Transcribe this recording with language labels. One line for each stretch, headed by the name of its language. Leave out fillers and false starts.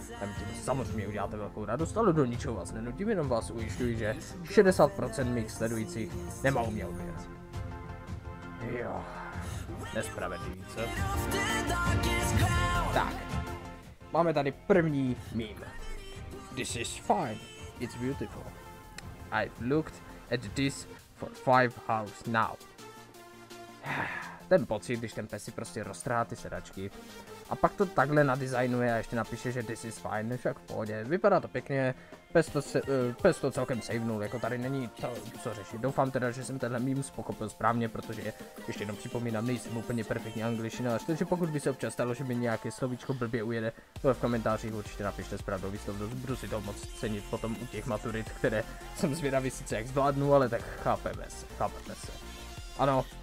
Czech: Tam tím samozřejmě uděláte velkou radost, ale do ničeho vás nenutím, jenom vás ujišťuji, že 60% mých sledujících nemá u mě odběr. Jo, nespravedlivý, co? Tak, máme tady první meme.
English: This is fine, it's beautiful. I've looked at this for 5 hours now.
Czech: Ten pocit, když ten pes si prostě roztrhá ty sedačky a pak to takhle nadizajnuje a ještě napíše, že
English: this is fine,
Czech: však v pohodě, vypadá to pěkně, pes to celkem savenul, jako tady není to, co řešit. Doufám teda, že jsem tenhle meme pochopil správně, protože ještě jenom připomínám, nejsem úplně perfektní angličtina, takže pokud by se občas stalo, že mi nějaké slovíčko blbě ujede, to v komentářích určitě napište správnou výslovnost, budu si to moc cenit potom u těch maturit, které jsem zvědavý sice jak zvládnu, ale tak chápeme se. Ano.